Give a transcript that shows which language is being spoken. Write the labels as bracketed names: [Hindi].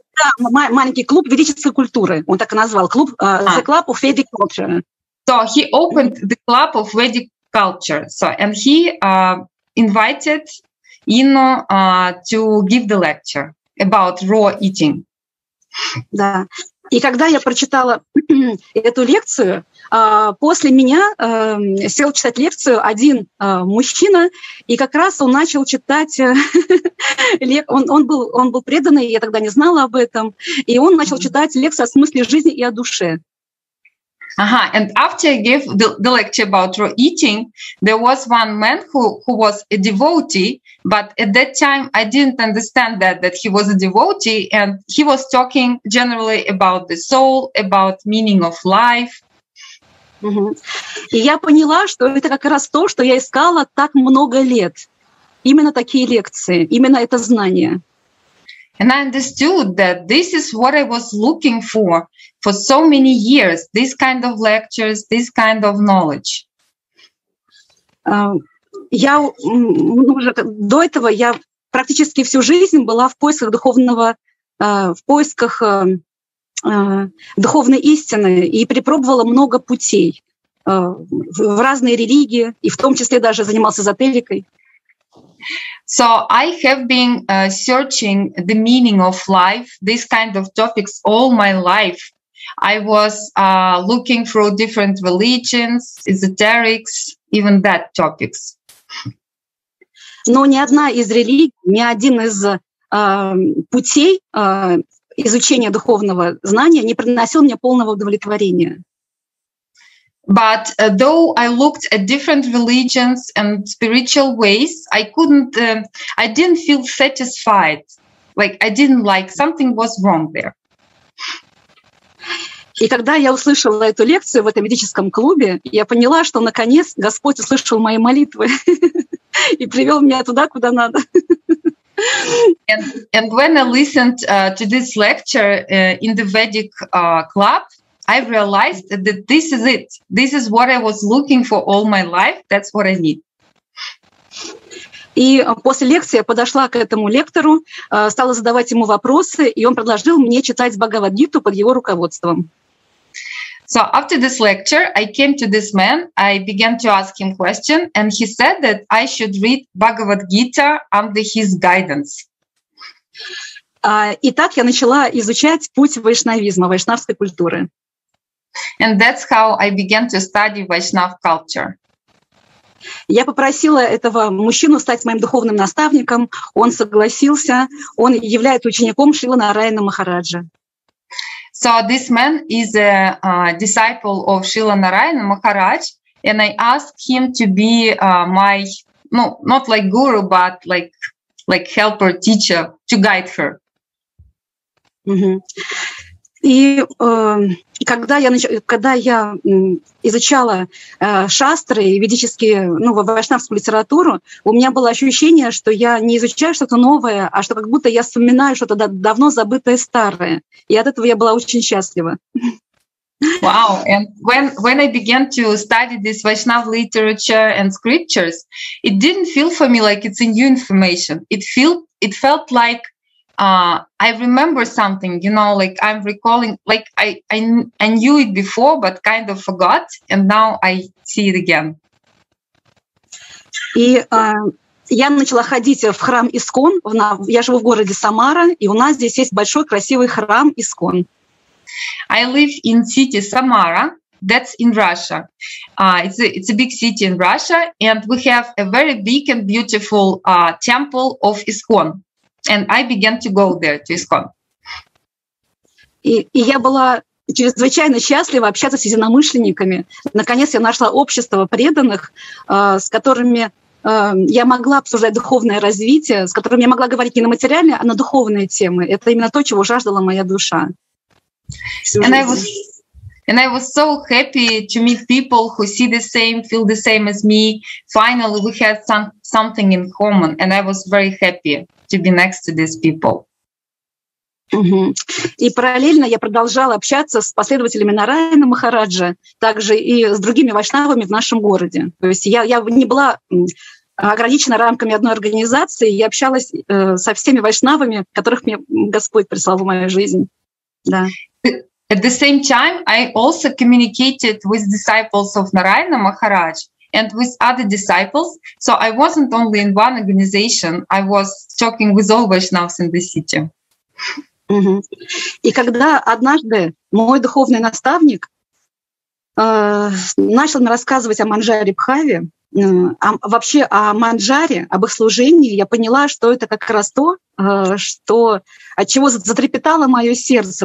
[Russian] Да, маленький клуб ведической культуры, он так и назвал, клуб, [English] the club of Vedic culture. So he opened the club of Vedic culture, so, and he invited Inno to give the lecture about raw eating. [Russian] Да. И когда я прочитала эту лекцию, после меня сел читать лекцию один мужчина, и как раз он начал читать, он был преданный, я тогда не знала об этом, и он начал читать лекцию о смысле жизни и о душе. [English] Ага, and after I gave the lecture about raw eating, there was one man who was a devotee, but at that time I didn't understand that he was a devotee, and he was talking generally about the soul, about meaning of life. Mm-hmm. [Russian] И я поняла, что это как раз то, что я искала так много лет. Именно такие лекции, именно это знание. [English] And I understood that this is what I was looking for so many years, this kind of lectures, this kind of knowledge. [Russian] Я уже до этого я практически всю жизнь была в поисках духовной истины и перепробовала много путей в разные религии, и в том числе даже занимался эзотерикой. [English] So I have been searching the meaning of life, this kind of topics, all my life. I was looking through different religions, esoterics, even bad topics. [Russian] Но ни одна из религий, ни один из путей изучения духовного знания не приносил мне полного удовлетворения. [English] But though I looked at different religions and spiritual ways, I couldn't, I didn't feel satisfied. Like, I didn't like, something was wrong there. [Russian] И когда я услышала эту лекцию в этом ведическом клубе, я поняла, что наконец Господь услышал мои молитвы и привел меня туда, куда надо. [English] And when I listened to this lecture in the Vedic club, I realized that this is it. This is what I was looking for all my life. That's what I need. [Russian] И после лекции я подошла к этому лектору, стала задавать ему вопросы, и он предложил мне читать Бхагавад-гиту под его руководством. [English] So after this lecture, I came to this man, I began to ask him question, and he said that I should read Bhagavad-gita under his guidance. [Russian] И так я начала изучать путь вайшнавизма, вайшнавской культуры. [English] And that's how I began to study Vaishnav culture. [Russian] Я попросила этого мужчину стать моим духовным наставником, он согласился, он является учеником Шрилы Нараяна Махараджа. [English] So this man is a disciple of Srila Narayana Maharaj, and I asked him to be my, no, not like guru, but like helper, teacher, to guide her. Mm-hmm. [Russian] И когда я изучала шастры и ведические, ну, вайшнавскую литературу, у меня было ощущение, что я не изучаю что-то новое, а что как будто я вспоминаю что-то давно забытое старое. И от этого я была очень счастлива. [English] Wow, and when I began to study this Vaishnava literature and scriptures, it didn't feel for me like it's a new information. It felt like I remember something, you know, like I'm recalling, like I knew it before, but kind of forgot, and now I see it again. [Russian] И я начала ходить в храм Искон. Я живу в городе Самара, и у нас здесь есть большой красивый храм Искон. [English] I live in city Samara. That's in Russia. It's a big city in Russia, and we have a very big and beautiful temple of Искон. And I began to go there, to ISKCON. [Russian] И я была чрезвычайно счастлива общаться с единомышленниками. Наконец я нашла общество преданных, с которыми я могла обсуждать духовное развитие, с которыми я могла говорить не на материальные, а на духовные темы. Это именно то, чего жаждала моя душа. [English] And I was so happy to meet people who see the same, feel the same as me. Finally, we had something in common, and I was very happy to be next to these people. Mm-hmm. [Russian] И параллельно я продолжала общаться с последователями Нараяна Махараджа, также и с другими вайшнавами в нашем городе. То есть я не была ограничена рамками одной организации, я общалась со всеми вайшнавами, которых мне Господь прислал в мою жизнь. Да. [English] At the same time, I also communicated with disciples of Narayana Maharaj and with other disciples. So I wasn't only in one organization, I was talking with all Vaishnavas in the city. Mm-hmm. [Russian] И когда однажды мой духовный наставник начал мне рассказывать о Манджаре Бхаве, вообще о Манджаре, об их служении, я поняла, что это как раз то, что от чего затрепетало мое сердце.